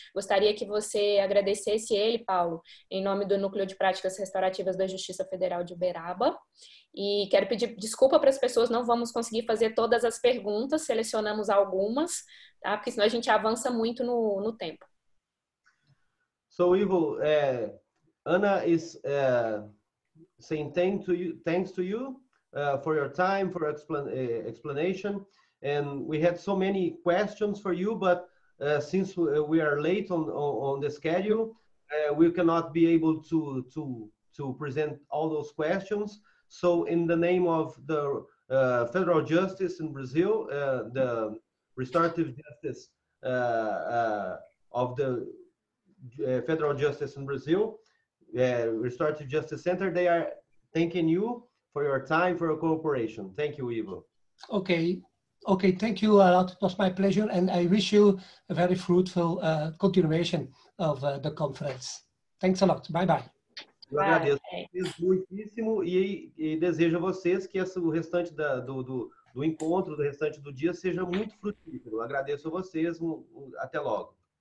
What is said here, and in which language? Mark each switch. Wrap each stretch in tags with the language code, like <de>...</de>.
<pt>Gostaria que você agradecesse ele, Paulo, em nome do Núcleo de Práticas Restaurativas da Justiça Federal de Uberaba. E quero pedir desculpa para as pessoas, não vamos conseguir fazer todas as perguntas, selecionamos algumas, tá? Porque senão a gente avança muito no tempo.</pt> <en>So Ivo, Anna is saying thanks to you for your time, for explanation, and we had so many questions for you, but since we are late on the schedule, we cannot be able to present all those questions. So in the name of the federal justice in Brazil, the restorative justice of the federal justice in Brazil, Restorative Justice Center, they are thanking you for your time, for your cooperation. Thank you, Ivo. Okay, thank you a lot. It was my pleasure, and I wish you a very fruitful continuation of the conference. Thanks a lot. Bye-bye.</en> <pt>Eu agradeço muitíssimo e desejo a vocês que o restante do encontro, do restante do dia, seja muito frutífero. Agradeço a vocês. Até logo.</pt>